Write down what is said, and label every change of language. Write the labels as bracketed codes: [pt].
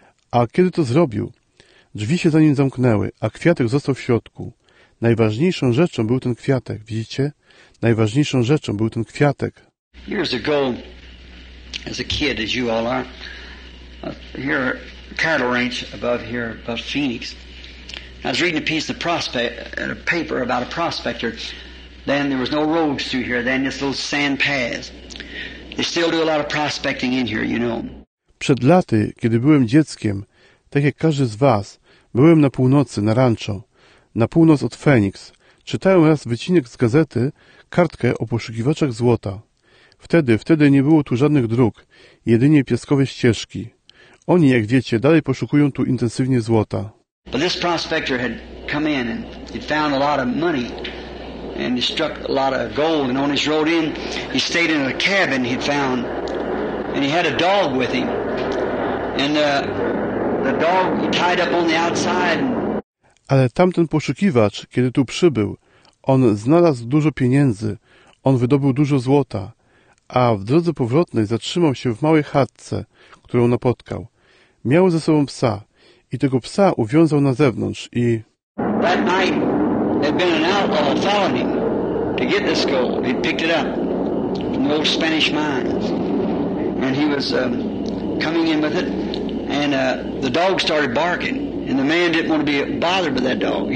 [pl] A kiedy to zrobił, drzwi się za nim zamknęły, a kwiatek został w środku. Najważniejszą rzeczą był ten kwiatek, widzicie? Najważniejszą rzeczą był ten kwiatek. [en] Years ago, as a kid, as you all are, here at a cattle ranch above here, above Phoenix, I was reading a piece of prospect, a paper about a prospector. Then there was no roads through here, then just little sand paths. They still do a lot of prospecting in here, you know. [pl] Przed laty, kiedy byłem dzieckiem, tak jak każdy z was, byłem na północy, na rancho. Na północ od Phoenix czytałem raz wycinek z gazety, kartkę o poszukiwaczach złota. Wtedy nie było tu żadnych dróg, jedynie piaskowe ścieżki. Oni, jak wiecie, dalej poszukują tu intensywnie złota. [en] But this prospector had come in and he found a lot of money and he struck a lot of gold, and on his road in he stayed in a cabin he'd found, and he had a dog with him, and the dog he tied up on the outside. [pl] Ale tamten poszukiwacz, kiedy tu przybył, on znalazł dużo pieniędzy, on wydobył dużo złota, a w drodze powrotnej zatrzymał się w małej chatce, którą napotkał. Miał ze sobą psa i tego psa uwiązał na zewnątrz i... [en] That night had been an outlaw following him to get this gold. He'd picked it up from the old Spanish mines. And he was coming in with it, and the dog started barking. And the man didn't want to be bothered by that dog.